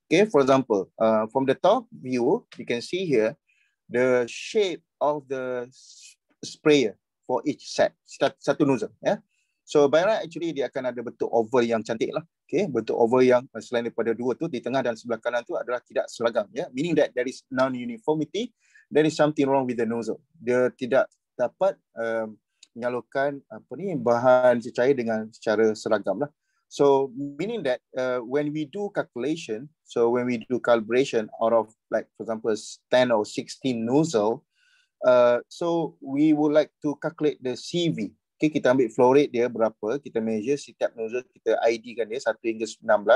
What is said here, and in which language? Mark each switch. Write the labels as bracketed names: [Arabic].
[English] Okay, for example, from the top view, you can see here the shape of the sprayer for each set, satu nozzle. Yeah. So by right, actually [Malay] dia akan ada bentuk oval yang cantik lah. Okay, bentuk oval yang selain daripada dua tu, di tengah dan sebelah kanan tu adalah tidak seragam. [English] Yeah, meaning that there is non-uniformity, there is something wrong with the nozzle. [Malay] Dia tidak dapat menyalurkan apa ni bahan cecair dengan secara seragam lah. [English] So meaning that when we do calculation, so when we do calibration out of like for example 10 or 16 nozzle, so we would like to calculate the CV. [Malay] Okay, kita ambil flow rate dia berapa, kita measure setiap nozzle, kita ID kan dia 1 hingga 16.